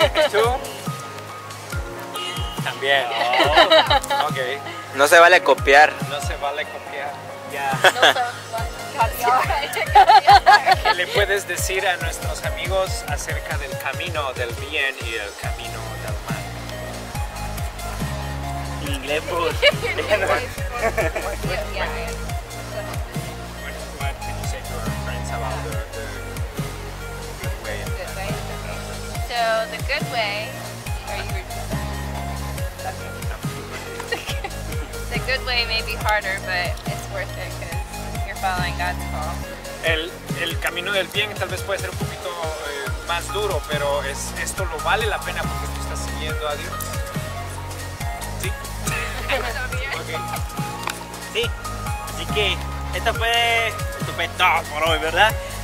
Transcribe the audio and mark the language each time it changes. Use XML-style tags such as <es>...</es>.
<es>¿Tú? También. Oh, ok. No se vale copiar. No se vale copiar. Yeah. No se vale copiar. ¿Qué le puedes decir a nuestros amigos acerca del camino del bien y el camino del mal?</es> <en>What can you say to our friends about the good way? So the good way, are you the good way may be harder, but it's worth it because you're following God's call.</en> <es>El camino del bien tal vez puede ser un poquito más duro, pero esto lo vale la pena porque tú estás siguiendo a Dios. Sí, así que esto fue todo por hoy, ¿verdad?</es>